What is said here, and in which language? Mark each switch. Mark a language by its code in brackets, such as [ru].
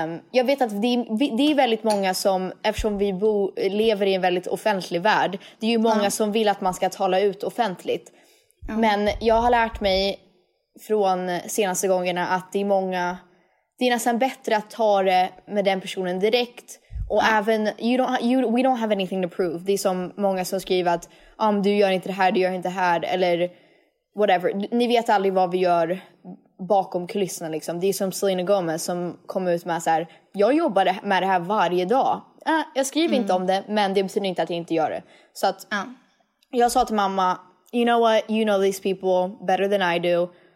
[sv] Jag vet att det är väldigt många som, eftersom vi lever i en väldigt offentlig värld, det är ju många som vill att man ska tala ut offentligt. Men jag har lärt mig från senaste gångerna att det är många, det är nästan bättre att ta det med den personen direkt. Och även [en] we don't have anything to prove. [sv] Det är som många som skriver att du gör inte det här, du gör inte det här, eller whatever. Ni vet aldrig vad vi gör bakom kulisserna liksom. Det är som Selena Gomez som kom ut med så här, jag jobbar med det här varje dag. Jag skriver inte om det, men det betyder inte att jag inte gör det. Så att jag sa till mamma, [en] you know what, you know these people better than I do.